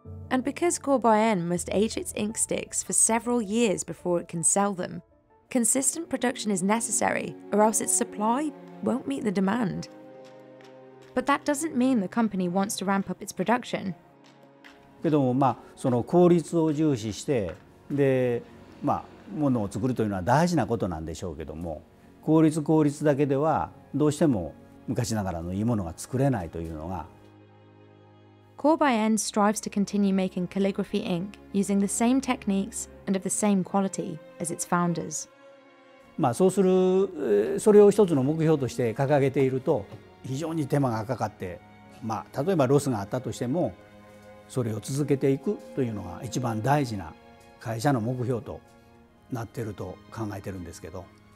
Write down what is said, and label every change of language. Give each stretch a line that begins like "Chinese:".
English: And because Korbayen must age its ink sticks for several years before it can sell them, consistent production is necessary, or else its supply won't meet the demand. But that doesn't mean the company wants to ramp up its production.
Japanese: けども、まあ、その効率を重視して、で、まあ、ものを作るというのは大事なことなんでしょうけども、効率効率だけではどうしても昔ながらのいいものが作れないというのが。
English: Korbayen strives to continue making calligraphy ink using the same techniques and of the same quality as its founders.
Japanese: まあ、そうする、それを一つの目標として掲げていると、非常に手間がかかって、まあ、例えばロスがあったとしても、それを続けていくというのが一番大事な会社の目標となっていると考えているんですけど。